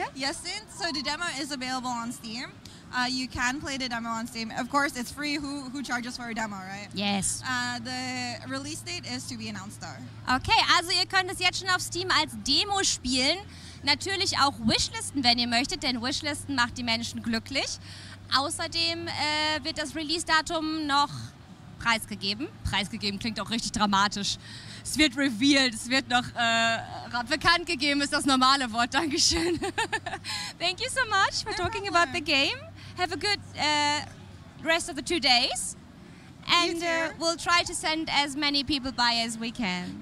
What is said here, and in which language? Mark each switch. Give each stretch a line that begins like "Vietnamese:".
English: Yesn't, so the demo is available on Steam. You can play the demo on Steam. Of course, it's free. Who charges for a demo, right? Yes. The release date is to be announced, though.
German: Okay, also ihr könnt es jetzt schon auf Steam als Demo spielen. Natürlich auch Wishlisten, wenn ihr möchtet, denn Wishlisten macht die Menschen glücklich. Außerdem wird das Release-Datum noch preisgegeben. Preisgegeben klingt auch richtig dramatisch. Es wird revealed, es wird noch bekannt gegeben, ist das normale Wort. Dankeschön.
English: Thank you so much for talking about the game. Have a good rest of the 2 days. And we'll try to send as many people by as we can.